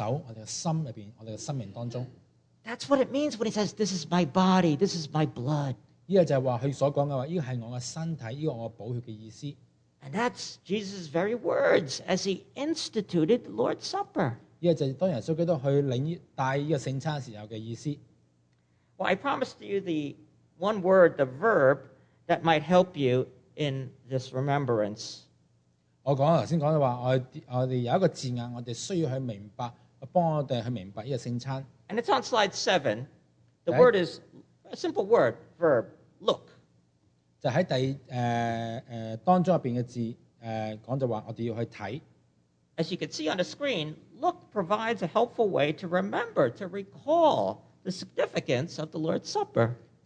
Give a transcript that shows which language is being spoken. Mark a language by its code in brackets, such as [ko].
[zh] 就是说这个圣餐当中，你要记得就是说神跟我们有一个联合，祂给到我们在我们的手，我们的心里面，我们的生命当中。 [en] That's what it means when he says, this is my body, this is my blood. And that's Jesus' very words as he instituted the Lord's Supper. Well, I promised you the one word, the verb, that might help you in this remembrance. [zh] 我刚才说的话，我们有一个字眼，我们需要去明白，帮我们去明白这个圣餐。 [en] And it's on slide 7. The word is a simple word, verb, look. [zh] 就在当中的字，讲就说我们要去看。 [en] As you can see on the screen, look provides a helpful way to remember, to recall the significance of the Lord's Supper.